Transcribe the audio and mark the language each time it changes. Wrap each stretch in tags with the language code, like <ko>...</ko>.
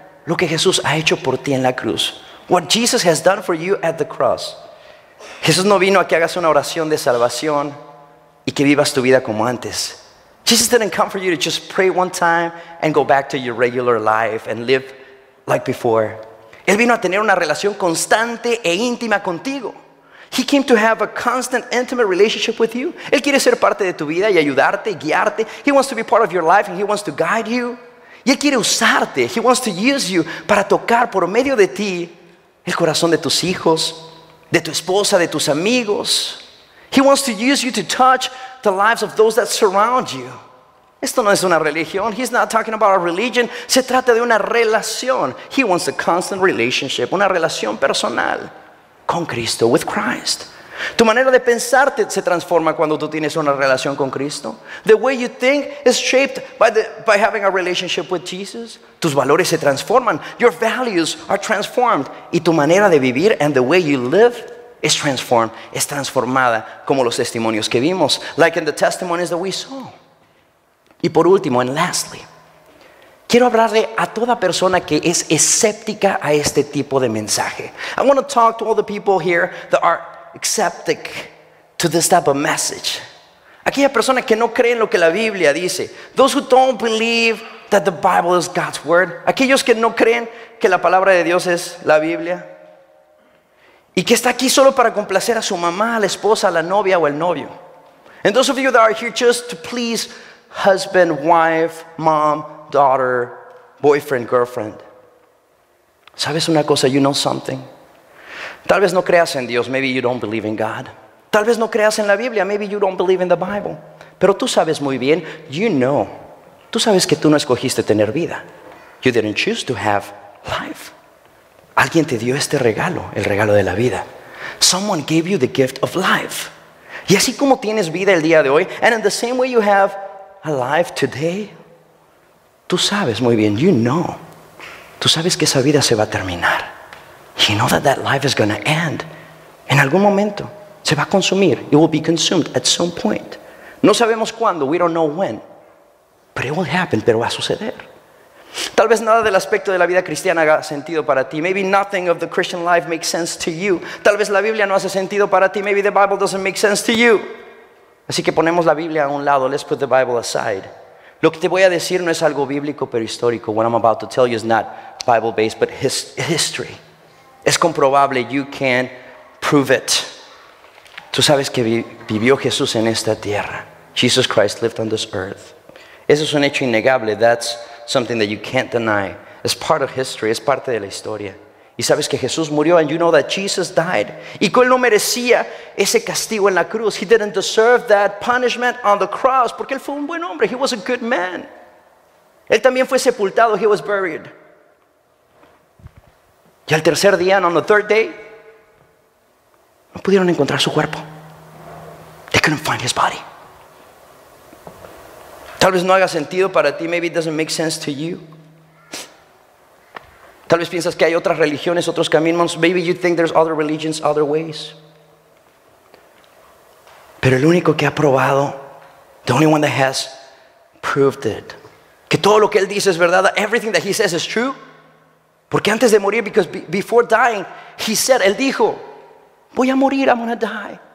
<es>lo que Jesús ha hecho por ti en la cruz.</es> <en>What Jesus has done for you at the cross.</en> <es>Jesús no vino a que hagas una oración de salvación y que vivas tu vida como antes.</es> <en>Jesus didn't come for you to just pray one time and go back to your regular life and live like before.</en> <es>Él vino a tener una relación constante e íntima contigo.</es> <en>He came to have a constant, intimate relationship with you.</en> <es>Él quiere ser parte de tu vida y ayudarte, guiarte.</es> <en>He wants to be part of your life and he wants to guide you.</en> <es>Y él quiere usarte.</es> <en>He wants to use you</en> <es>para tocar por medio de ti el corazón de tus hijos, de tu esposa, de tus amigos.</es> <en>He wants to use you to touch the lives of those that surround you.</en> <es>Esto no es una religión.</es> <en>He's not talking about a religion.</en> <es>Se trata de una relación.</es> <en>He wants a constant relationship,</en> <es>una relación personal con Cristo,</es> <en>with Christ.</en> <es>Tu manera de pensar se transforma cuando tú tienes una relación con Cristo.</es> <en>The way you think is shaped by having a relationship with Jesus.</en> <es>Tus valores se transforman.</es> <en>Your values are transformed.</en> <es>Y tu manera de vivir</es> <en>and the way you live is transformed.</en> <es>Es transformada como los testimonios que vimos.</es> <en>Like in the testimonies that we saw.</en> <es>Y por último,</es> <en>and lastly,</en> <es>quiero hablarle a toda persona que es escéptica a este tipo de mensaje.</es> <en>I want to talk to all the people here that are skeptic to this type of message.</en> <es>Aquella persona que no cree en lo que la Biblia dice.</es> <en>Those who don't believe that the Bible is God's word.</en> <es>Aquellos que no creen que la palabra de Dios es la Biblia. Y que está aquí solo para complacer a su mamá, a la esposa, a la novia o el novio.</es> <en>And those of you that are here just to please husband, wife, mom, daughter, boyfriend, girlfriend.</en> <es>¿Sabes una cosa?</es> <en>You know something.</en> <es>Tal vez no creas en Dios.</es> <en>Maybe you don't believe in God.</en> <es>Tal vez no creas en la Biblia.</es> <en>Maybe you don't believe in the Bible.</en> <es>Pero tú sabes muy bien.</es> <en>You know.</en> <es>Tú sabes que tú no escogiste tener vida.</es> <en>You didn't choose to have life.</en> <es>Alguien te dio este regalo, el regalo de la vida.</es> <en>Someone gave you the gift of life.</en> <es>Y así como tienes vida el día de hoy,</es> <en>and in the same way you have alive today,</en> <es>tú sabes muy bien,</es> <en>you know,</en> <es>tú sabes que esa vida se va a terminar.</es> <en>You know that that life is going to end.</en> <es>En algún momento, se va a consumir.</es> <en>It will be consumed at some point.</en> <es>No sabemos cuándo,</es> <en>we don't know when. But it will happen,</en> <es>pero va a suceder. Tal vez nada del aspecto de la vida cristiana haga sentido para ti.</es> <en>Maybe nothing of the Christian life makes sense to you.</en> <es>Tal vez la Biblia no hace sentido para ti.</es> <en>Maybe the Bible doesn't make sense to you.</en> <es>Así que ponemos la Biblia a un lado.</es> <en>Let's put the Bible aside.</en> <es>Lo que te voy a decir no es algo bíblico, pero histórico.</es> <en>What I'm about to tell you is not Bible-based, but history.</en> <es>Es comprobable.</es> <en>You can prove it.</en> <es>Tú sabes que vivió Jesús en esta tierra.</es> <en>Jesus Christ lived on this earth.</en> <es>Eso es un hecho innegable.</es> <en>That's something that you can't deny. It's part of history.</en> <es>Es parte de la historia. Y sabes que Jesús murió,</es> <en>and you know that Jesus died.</en> <es>Y que él no merecía ese castigo en la cruz.</es> <en>He didn't deserve that punishment on the cross.</en> <es>Porque él fue un buen hombre.</es> <en>He was a good man.</en> <es>Él también fue sepultado.</es> <en>He was buried.</en> <es>Y al tercer día,</es> <en>and on the third day,</en> <es>no pudieron encontrar su cuerpo.</es> <en>They couldn't find his body.</en> <es>Tal vez no haga sentido para ti.</es> <en>Maybe it doesn't make sense to you.</en> <es>Tal vez piensas que hay otras religiones, otros caminos.</es> <en>Maybe you think there's other religions, other ways.</en> <es>Pero el único que ha probado,</es> <en>the only one that has proved it,</en> <es>que todo lo que él dice es verdad,</es> <en>everything that he says is true.</en> <es>Porque antes de morir,</es> <en>because before dying, he said,</en> <es>él dijo, voy a morir,</es> <en>I'm going to die.</en>